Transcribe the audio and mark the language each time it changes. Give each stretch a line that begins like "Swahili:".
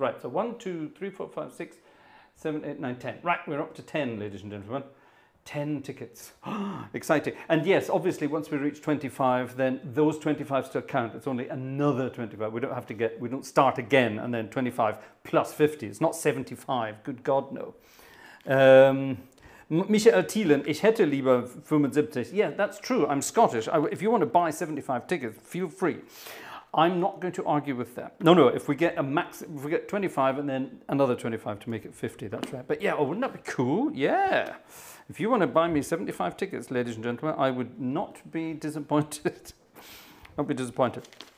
English: Right, so 1, 2, 3, 4, 5, 6, 7, 8, 9, 10. Right, we're up to 10, ladies and gentlemen. 10 tickets. Exciting. And yes, obviously, once we reach 25, then those 25 still count. It's only another 25. We don't start again, and then 25 plus 50. It's not 75. Good God, no.
German: Michael Thielen, ich hätte lieber 75.
English: Yeah, that's true. I'm Scottish. If you want to buy 75 tickets, feel free. I'm not going to argue with that. No. If we get 25 and then another 25 to make it 50, that's right. But yeah, oh, wouldn't that be cool? Yeah. If you want to buy me 75 tickets, ladies and gentlemen, I would not be disappointed. Not be disappointed.